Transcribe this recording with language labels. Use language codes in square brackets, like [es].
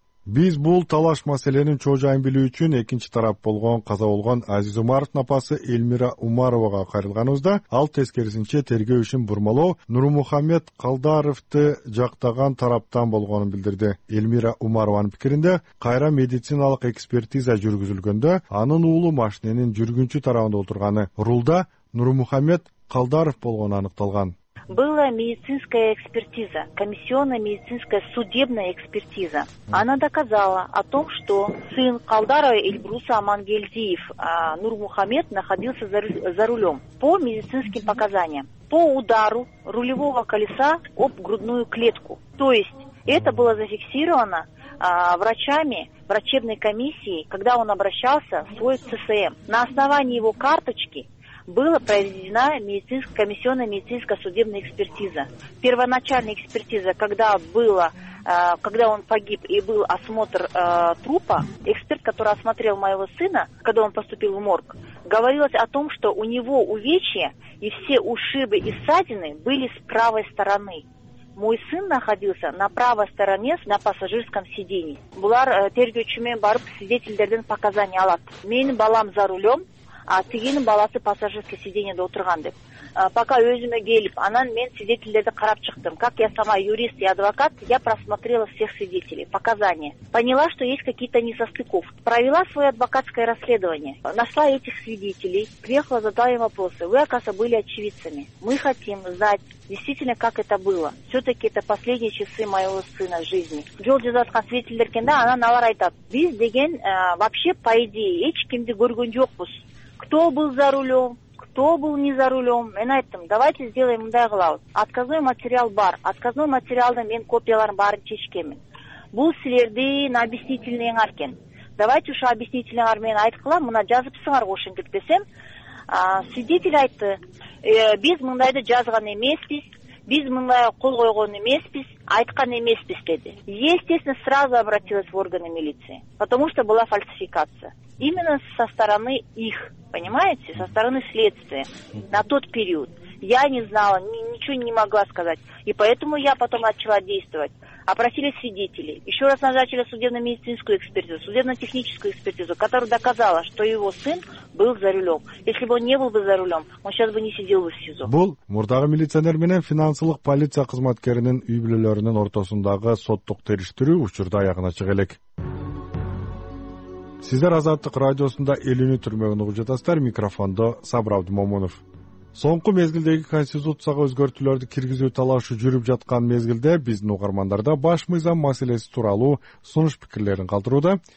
[ky] Биз бул талаш маселенин чоожайын билүү үчүн экинчи тарап болгон, каза болгон Азиз Умаровдун апасы Элмира Умарова кайрылганыбызда, ал тескерисинче тергөө ишин бурмалоо Нурмухамед Калдаровду жактаган тараптан болгонун билдирди. Элмира Умарованын пикиринде, кайра медициналык экспертиза жүргүзүлгөндө анын уулу машиненин жүргүнчү тарабында отурганы, рулда Нурмухамед Калдаров болгону аныкталган. [ru] Была медицинская экспертиза, комиссионная медицинская судебная экспертиза. Она доказала о том, что сын Калдарова Эльбруса Амангельдиев, Нурмухамед, находился за рулем по медицинским показаниям, по удару рулевого колеса об грудную клетку. То есть это было зафиксировано врачами врачебной комиссии, когда он обращался в свой ЦСМ. На основании его карточки была проведена комиссионная медицинская судебная экспертиза. Первоначальная экспертиза, когда он погиб и был осмотр трупа, эксперт, который осмотрел моего сына, когда он поступил в морг, говорилось о том, что у него увечья и все ушибы и ссадины были с правой стороны. Мой сын находился на правой стороне на пассажирском сиденье. [ky] Булар тергөөчү менен барып свидетелдердин показания алат. Мен балам [ru] за рулем, [ky] а тигинин баласы [ru] пассажирский [ky] сиденьеде отурган деп. [ru] Пока [ky] өзүмө келип, анан мен свидетелдерди карап чыктым. [ru] Как я сама юрист и адвокат, я просмотрела всех свидетелей, показания. Поняла, что есть какие-то несостыковки. Провела свое адвокатское расследование. Нашла этих свидетелей, приехала, задала им вопросы. Вы, оказывается, были очевидцами. Мы хотим знать действительно, как это было. Все-таки это последние часы моего сына в жизни. [ky] Жолдизаткан свидетелдеркен да, анан алар айтат. Биз деген [ru] вообще, по идее, [ky] эч кимди көргөн жокпуз. [ru] Кто был за рулем, кто был не за рулем. [ky] Мен айттым, [ru] давайте сделаем [ky] мындай кылабыз. Отказной материал бар. Отказной материалдын мен копияларын баарын чечкенмин. бул силердин объяснительныйңар экен. Давайте ушу объяснительныйңар менен айткыла, мына жазыпсыңар го ошентип десем, свидетель айтты, биз мындайды жазган эмеспиз, биз мындай кол койгон эмеспиз, айткан эмеспиз деди. [ru] Естественно, сразу обратилась в органы милиции, потому что была фальсификация. Именно со стороны их, понимаете, со стороны следствия на тот период. Я не знала, ничего не могла сказать. И поэтому я потом начала действовать. Опросили свидетелей. Еще раз назначили судебно-медицинскую экспертизу, судебно-техническую экспертизу, которая доказала, что его сын был за рулем. Если бы он не был бы за рулем, он сейчас бы не сидел бы в СИЗО. [ky] Был мурдагы милиционер менен финансылык полиция кызматкеринин үй-бүлөлөрүнүн ортосундагы соттук териштирүү учурда аягына чыга элек. Сиздер Азаттык радиосунда элини түрмөгүн угуп жатасыздар. Микрофондо Сабыр Абдымомунов. Соңку мезгилдеги конституцияга өзгөртүүлөрдү киргизүү талашы жүрүп жаткан мезгилде биздин угармандарда баш мыйзам маселеси тууралуу сунуш пикирлерин калтырууда.